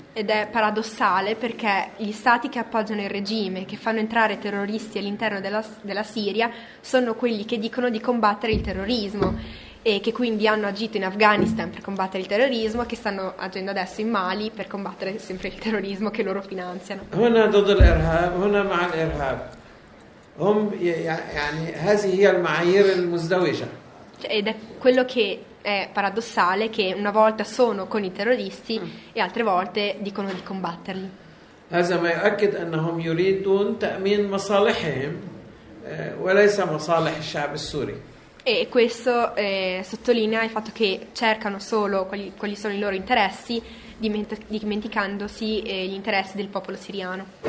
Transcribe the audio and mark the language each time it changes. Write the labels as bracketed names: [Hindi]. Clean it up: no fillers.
[Italian] Ed è paradossale perché gli stati che appoggiano il regime, che fanno entrare terroristi all'interno della Siria, sono quelli che dicono di combattere il terrorismo e che quindi hanno agito in Afghanistan per combattere il terrorismo e che stanno agendo adesso in Mali per combattere sempre il terrorismo che loro finanziano. [Arabic] Huna ضد الإرهاب, هنا مع الإرهاب. هم يعني هذه هي المعايير المزدوجة. [Italian] Ed è quello che è paradossale, che una volta sono con i terroristi e altre volte dicono di combatterli. [Arabic] هذا ما يؤكد أنهم يريدون تأمين مصالحهم وليس مصالح الشعب السوري. [Italian] E questo sottolinea il fatto che cercano solo quali sono i loro interessi, dimenticandosi gli interessi del popolo siriano.